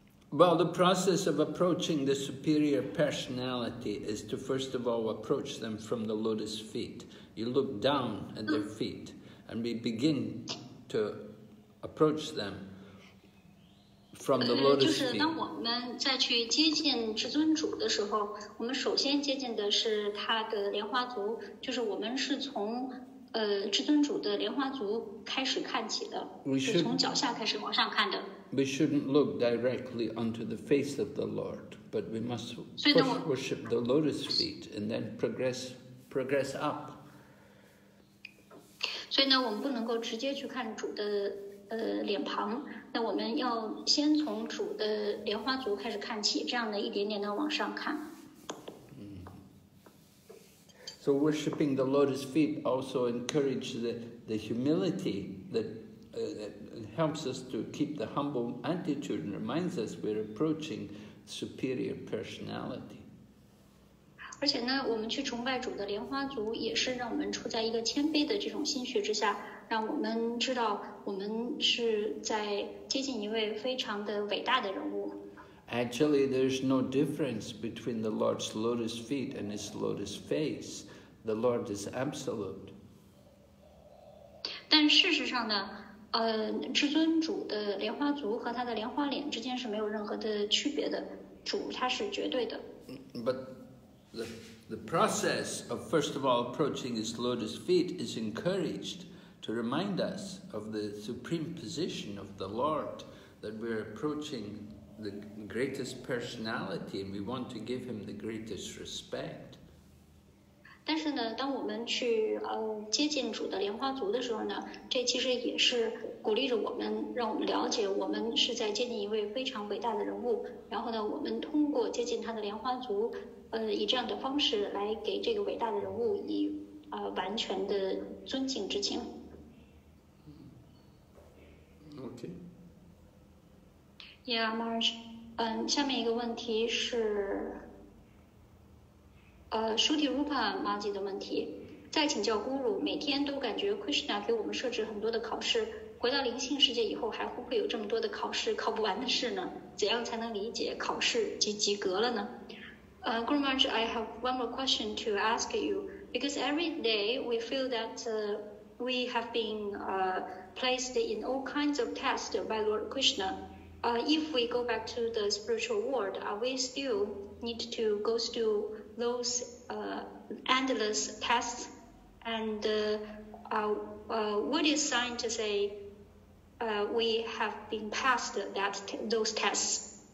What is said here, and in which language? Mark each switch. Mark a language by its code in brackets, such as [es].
[en] Well, the process of approaching the superior personality is to first of all approach them from the lotus feet. You look down at their feet. And we begin to approach them from the lotus feet. [zh] 就是当我们再去接近至尊主的时候，我们首先接近的是他的莲花足，就是我们是从至尊主的莲花足开始看起的，是从脚下开始往上看的。 [en] We shouldn't look directly onto the face of the Lord, but we must worship the lotus feet and then progress up. [zh] 所以呢，我们不能够直接去看主的脸庞，那我们要先从主的莲花足开始看起，这样的一点点的往上看。 [en] So worshipping the lotus feet also encourages the humility that helps us to keep the humble attitude and reminds us we're approaching superior personality. [zh] 而且呢，我们去崇拜主的莲花足，也是让我们处在一个谦卑的这种心绪之下，让我们知道我们是在接近一位非常的伟大的人物。 [en] Actually, there's no difference between the Lord's lotus feet and His lotus face. The Lord is absolute. [zh] 但事实上呢，至尊主的莲花足和他的莲花脸之间是没有任何的区别的，主他是绝对的。 [en] But the process of first of all approaching His lotus feet is encouraged to remind us of the supreme position of the Lord, that we're approaching the greatest personality and we want to give Him the greatest respect. [zh] 但是呢，当我们去接近主的莲花族的时候呢，这其实也是鼓励着我们，让我们了解我们是在接近一位非常伟大的人物。然后呢，我们通过接近他的莲花族，以这样的方式来给这个伟大的人物以完全的尊敬之情。 [en] OK. Yeah, Marge. [zh] 下面一个问题是。 Shruti Rupa Maji 的问题，再请教 Guru， 每天都感觉 Krishna 给我们设置很多的考试，回到灵性世界以后还会不会有这么多的考试考不完的事呢？怎样才能理解考试及及格了呢？ [en] Guru Maji， I have one more question to ask you, because every day we feel that we have been placed in all kinds of tests by Lord Krishna. If we go back to the spiritual world, are we still need to go through those endless tests, and what is sign to say we have been passed that those tests?